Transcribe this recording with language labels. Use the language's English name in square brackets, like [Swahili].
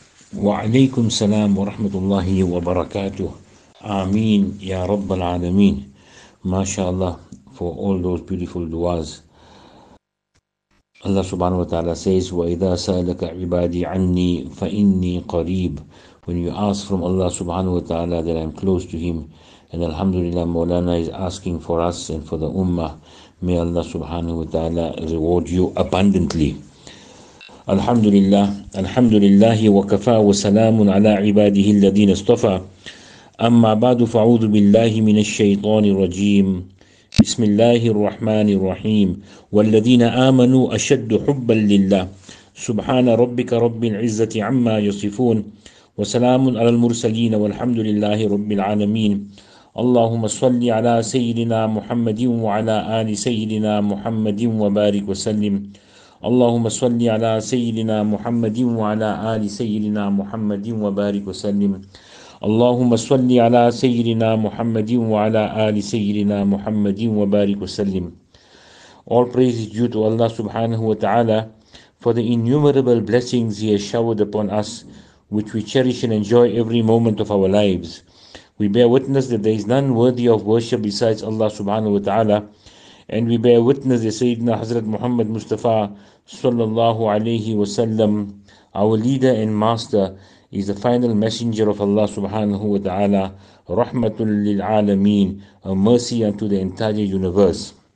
[Arabic] وعليكم السلام ورحمة الله وبركاته. آمين يا رب العالمين. ما شاء الله. [English] For all those beautiful du'as. Allah subhanahu wa ta'ala says, [Arabic] وَإِذَا سَأَلَكَ عِبَادِي عَنِّي فَإِنِّي قَرِيبٌ. [English] When you ask from Allah subhanahu wa ta'ala that I am close to him, and alhamdulillah Mawlana is asking for us and for the ummah, may Allah subhanahu wa ta'ala reward you abundantly. [Arabic] Alhamdulillah, alhamdulillahi wa kafa wa salamun ala ibadihi alladhina istafa. Amma ba'du fa'udhu billahi min ash-shaytani rajim. بسم الله الرحمن الرحيم والذين آمنوا أشد حبا لله سبحان ربك رب العزة عما يصفون وسلام على المرسلين والحمد لله رب العالمين اللهم صل على سيدنا محمد وعلى آل سيدنا محمد وبارك وسلم اللهم صل على سيدنا محمد وعلى آل سيدنا محمد وبارك وسلم اللهم صل على سيدنا محمد وعلى آل سيدنا محمد وبارك وسلم. [English] All praise is due to Allah subhanahu wa ta'ala for the innumerable blessings He has showered upon us, which we cherish and enjoy every moment of our lives. We bear witness that there is none worthy of worship besides Allah subhanahu wa ta'ala, and we bear witness that Sayyidina Hazrat Muhammad Mustafa sallallahu alayhi wa sallam, our leader and master, is the final messenger of Allah subhanahu wa ta'ala, rahmatul lil alameen, a mercy unto the entire universe.